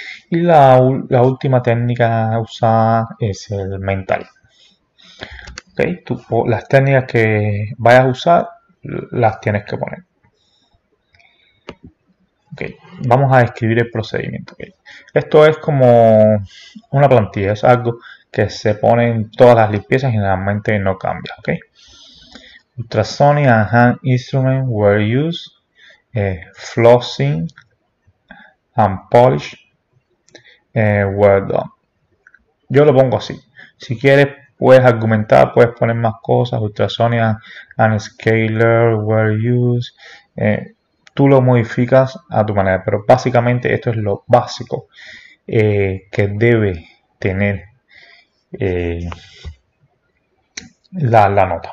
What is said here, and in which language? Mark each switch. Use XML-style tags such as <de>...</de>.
<es>Y la última técnica usada es el mental. Okay, las técnicas que vayas a usar, las tienes que poner. Okay. Vamos a escribir el procedimiento. Okay. Esto es como una plantilla, es algo que se pone en todas las limpiezas y generalmente no cambia. Okay.</es> <en>Ultrasonic and hand instrument were used, flossing and polish were done.</en> <es>Yo lo pongo así. Si quieres, puedes argumentar, puedes poner más cosas.</es> <en>Ultrasonic and scaler were used.</en> <es>Tú lo modificas a tu manera, pero básicamente esto es lo básico que debe tener la nota.</es>